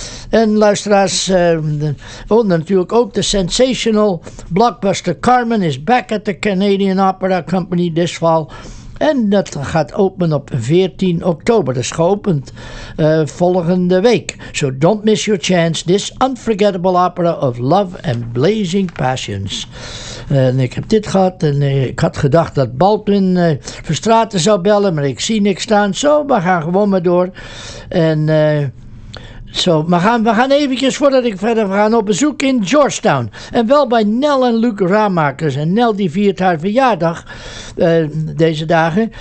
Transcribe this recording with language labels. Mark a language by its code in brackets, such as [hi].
[nl] En luisteraars, natuurlijk ook de [en] sensational blockbuster Carmen is back at the Canadian Opera Company this fall. [nl] En dat gaat openen op 14 oktober. Dat is geopend volgende week. [en] So don't miss your chance. This unforgettable opera of love and blazing passions. [nl] En ik heb dit gehad. En ik had gedacht dat Baldwin Verstraeten zou bellen. Maar ik zie niks staan. Zo, we gaan gewoon maar door. En Zo, maar we gaan eventjes, voordat ik verder ga, op bezoek in Georgetown. En wel bij Nel en Luc Raamakers. En Nel die viert haar verjaardag deze dagen.